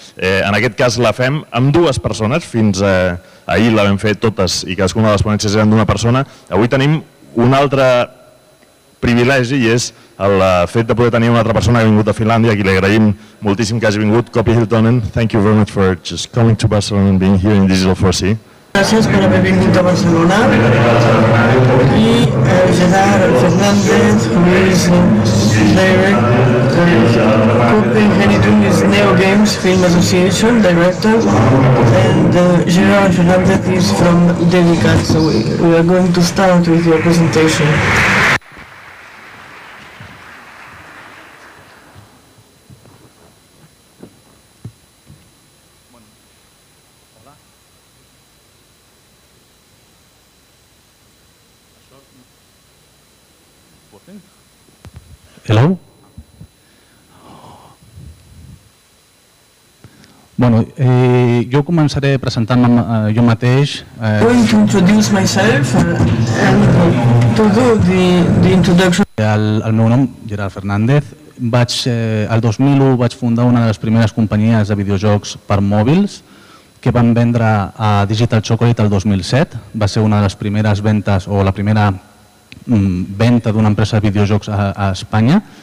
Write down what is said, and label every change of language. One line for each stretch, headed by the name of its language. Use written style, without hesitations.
Catalan: En aquest cas la fem amb dues persones, fins a ahir la vam fer totes i cadascuna de les ponències eren d'una persona. Avui tenim un altre privilegi i és el fet de poder tenir una altra persona que ha vingut a Finlàndia, a qui li agraïm moltíssim que hagi vingut, Kopi Hiltonen.
English: Thank you very much for just coming to Barcelona and being here in Digital 4C.
Catalan: Gràcies per haver vingut a Barcelona
English: i Gerard Fernández, Luis Leiber, Copenhagen is Neo Games Film Association director, and Gerard Fernández is from Dedicat, so we are going to start with your presentation. Hello?
Catalan: Bueno, jo començaré presentant-me jo mateix.
English: I'm going to introduce myself and to do the introduction.
Catalan: El meu nom, Gerard Fernández. El 2001 vaig fundar una de les primeres companyies de videojocs per mòbils que van vendre a Digital Chocolate el 2007. Va ser una de les primeres ventes o la primera venda d'una empresa de videojocs a Espanya.